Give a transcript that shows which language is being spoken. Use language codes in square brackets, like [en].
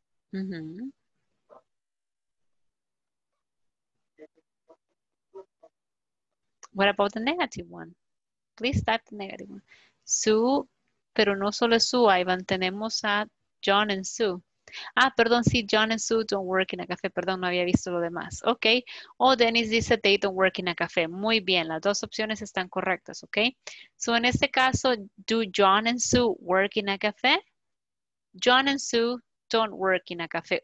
[en] What about the negative one? Please type the negative one. Sue, [es] pero no solo [en] Sue, Ivan. [es] Tenemos a [en] John and Sue. [es] Ah, perdón, sí, [en] John and Sue don't work in a café. [es] Perdón, no había visto lo demás. Ok. [en] Oh, Dennis dice they don't work in a café. [es] Muy bien, las dos opciones están correctas, ok. [en] So, [es] en este caso, [en] do John and Sue work in a café? John and Sue don't work in a café.